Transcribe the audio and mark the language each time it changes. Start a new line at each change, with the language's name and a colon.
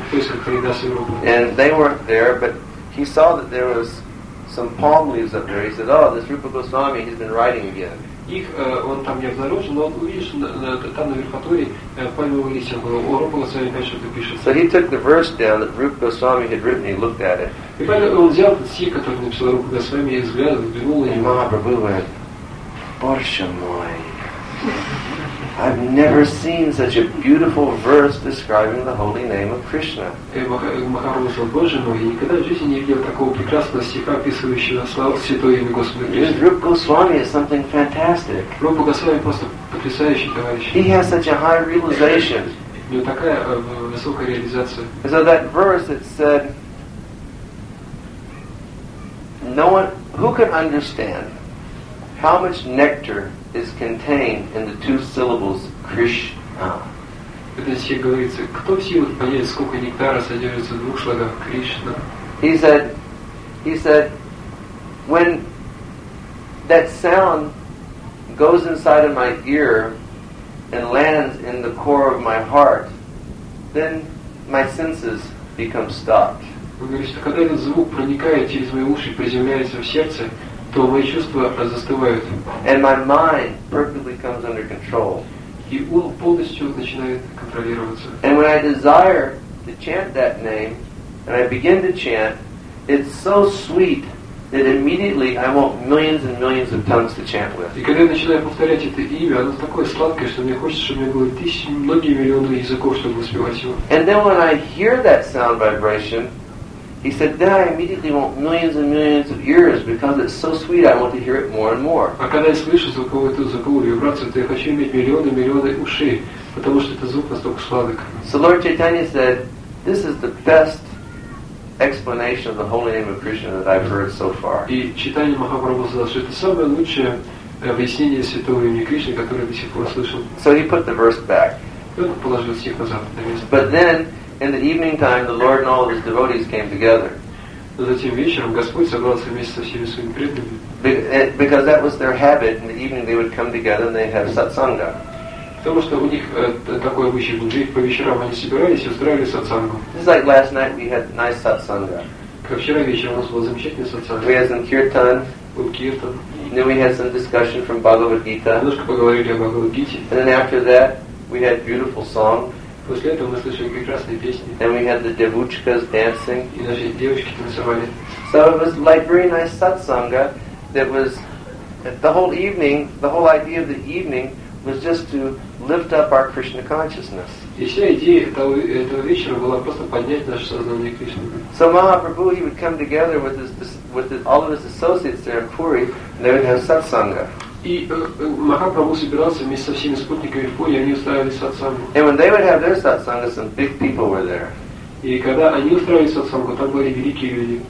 English: And they weren't there, but he saw that there was some palm leaves up there. He said, oh, this Rupa Goswami, he's been writing again.
Russian: Их он там не обнаружил, но он увидел, что там на верхотуре пальмовые листья было. О, Рупа Госвами опять что-то пишет.
English: So he took the verse down that Rupa Goswami had written, he looked at it.
Russian: И поэтому он взял этот стих, который написал Рупа Госвами, и взгляд взглянул на него.
English: Mahaprabhu went,
Russian: Borsha Moy,
English: I've never seen such a beautiful verse describing the holy name of Krishna.
Russian: Mahaprabhu сказал, Боже мой, я никогда в жизни не видел такого прекрасного стиха, описывающего славу святого имя Господа Кришны.
English: Rupa Goswami is something fantastic.
Russian: Rupa Goswami просто потрясающий товарищ.
English: He has such a high realization.
Russian: У него такая высокая реализация.
English: So that verse it said, no one who can understand how much nectar is contained in the two syllables Krishna.
Russian: Это все говорится. Кто в силах понять, сколько нектара содержится в двух слогах Кришна?
English: He said, when that sound goes inside of my ear and lands in the core of my heart, then my senses become stopped.
Russian: Он говорит, что когда этот звук проникает через мои уши и приземляется в сердце, то мои чувства застывают.
English: And my mind perfectly comes under control.
Russian: И ум полностью начинает контролироваться.
English: And when I desire to chant that name, and I begin to chant, it's so sweet that immediately I want millions and millions of tongues to chant with.
Russian: И когда я начинаю повторять это имя, оно такое сладкое, что мне хочется, чтобы у меня было тысячи, многие миллионы языков, чтобы воспевать его.
English: And then when I hear that sound vibration, he said, then I immediately want millions and millions of ears because it's so sweet, I want to hear it more and more.
Russian: А когда я слышу звуковую вибрацию, то я хочу иметь миллионы ушей, потому что этот звук настолько сладок.
English: So Lord Chaitanya said, this is the best explanation of the holy name of Krishna that I've heard so far.
Russian: И Чайтанья Махапрабху сказал, что это самое лучшее объяснение святого имени Кришны, которое я до сих пор слышал.
English: So he put the verse back.
Russian: Он положил стих назад на место.
English: But then, in the evening time, the Lord and all of His devotees came together.
Russian: Затем вечером Господь собрался вместе со всеми своими преданными.
English: Because that was their habit, in the evening they would come together and they have satsanga.
Russian: Потому что у них такой обычай был, по вечерам они собирались и устраивали сатсангу.
English: It's like last night we had nice satsanga.
Russian: Как вчера вечером у нас была замечательная сатсанга.
English: We had some kirtan.
Russian: Был kirtan.
English: Then we had some discussion from Bhagavad Gita.
Russian: Немножко поговорили о Бхагавад Гите.
English: And then after that, we had beautiful song.
Russian: После этого мы слышали прекрасные песни.
English: And we had the devuchkas dancing.
Russian: И наши девочки танцевали.
English: So it was like very nice satsanga. That was the whole evening. The whole idea of the evening was just to lift up our Krishna consciousness.
Russian: И вся идея этого вечера была просто поднять наше сознание Кришны.
English: So Mahaprabhu, he would come together with all of his associates there in Puri, and they would have satsanga.
Russian: И Махапрабху собирался вместе со всеми спутниками в поле, они устраивали сатсангу.
English: And when they would have their satsanga, some big people were there.
Russian: И когда они устраивали сатсангу, там были великие люди.